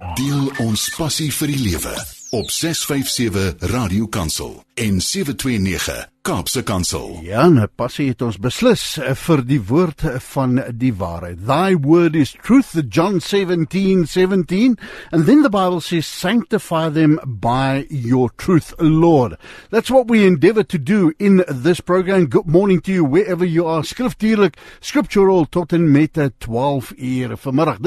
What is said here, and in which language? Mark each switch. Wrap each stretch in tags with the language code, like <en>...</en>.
<af>Deel ons passie vir die lewe op 657 Radio Kansel en 729 Kaapse Kansel. Ja, nou passie het ons beslis vir die woord van die waarheid.</af> <en>Thy word is truth, John 17:17. And then the Bible says, sanctify them by your truth, Lord. That's what we endeavor to do in this program. Good morning to you, wherever you are.</en> <af>Skriftuurlik, scriptural, tot en met 12 uur vanmiddag.</af>